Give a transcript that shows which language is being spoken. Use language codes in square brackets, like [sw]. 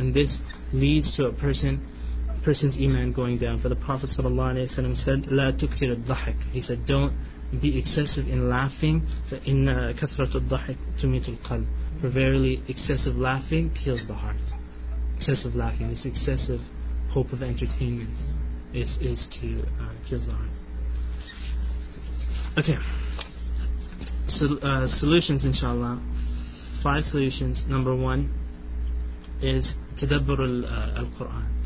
[en] And this leads to a person's iman going down. For the Prophet sallallahu alaihi wasallam said, [ar] لا تكثر الضحك. [en] He said, don't be excessive in laughing. [ar] In كثرت الضحك تميت القلب. [en] For verily, excessive laughing kills the heart. Excessive laughing, this excessive hope of entertainment, is to kill the heart. Okay. So solutions, inshallah, five solutions. Number one is [ar] تدبر القرآن.